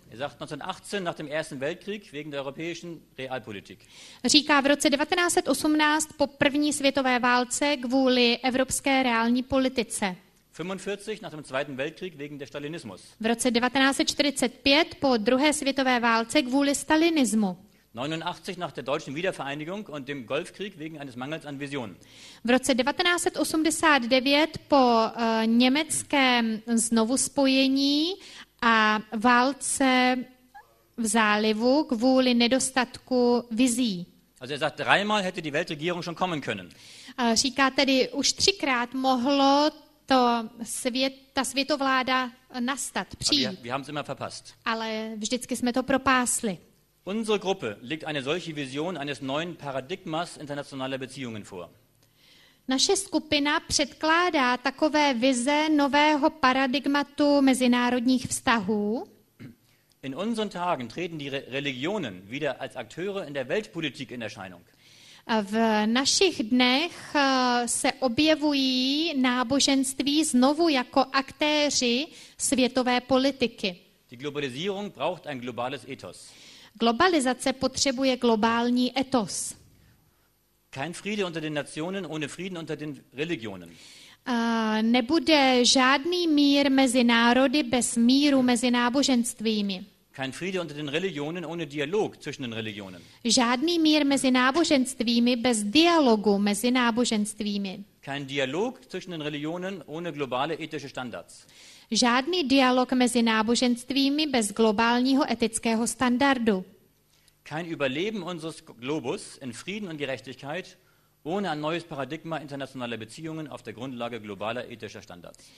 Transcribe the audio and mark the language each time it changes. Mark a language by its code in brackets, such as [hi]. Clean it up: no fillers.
[de] Er sagt 1918 nach dem Ersten Weltkrieg wegen der europäischen Realpolitik. [cs] Říká v roce 1918 po první světové válce kvůli evropské reální politice. [de] 45 nach dem Zweiten Weltkrieg wegen der Stalinismus. [cs] V roce 1945 po druhé světové válce kvůli stalinismu. [de] 89 nach der deutschen Wiedervereinigung und dem Golfkrieg wegen eines Mangels an Visionen. [cs] V roce 1989 po německém znovuspojení a válce v zálivu kvůli nedostatku vizí. [de] Also er sagt, dreimal hätte die Weltregierung schon kommen können. [cs] Říká tedy, už třikrát mohlo to ta světovláda nastat, přijít. [de] Wir haben's immer verpasst. [cs] Ale vždycky jsme to propásli. [de] Unsere Gruppe legt eine solche Vision eines neuen Paradigmas internationaler Beziehungen vor. [cs] Naše skupina předkládá takové vize nového paradigmatu mezinárodních vztahů. [de] In unseren Tagen treten die Religionen wieder als Akteure in der Weltpolitik in Erscheinung. [cs] V našich dnech se objevují náboženství znovu jako aktéři světové politiky. [de] Die Globalisierung braucht ein globales Ethos. [cs] Globalizace potřebuje globální etos. [de] Kein Friede unter den Nationen ohne Frieden unter den Religionen. [cs] Nebude žádný mír mezi národy bez míru mezi náboženstvími. [de] Kein Friede unter den Religionen ohne Dialog zwischen den Religionen. [cs] Žádný mír mezi náboženstvími bez dialogu mezi náboženstvími. [de] Kein Dialog zwischen den Religionen ohne globale ethische Standards. [cs] Žádný dialog mezi náboženstvími bez globálního etického standardu. [de] Kein Überleben unseres Globus in Frieden und Gerechtigkeit ohne ein neues Paradigma internationaler Beziehungen auf der Grundlage globaler ethischer Standards.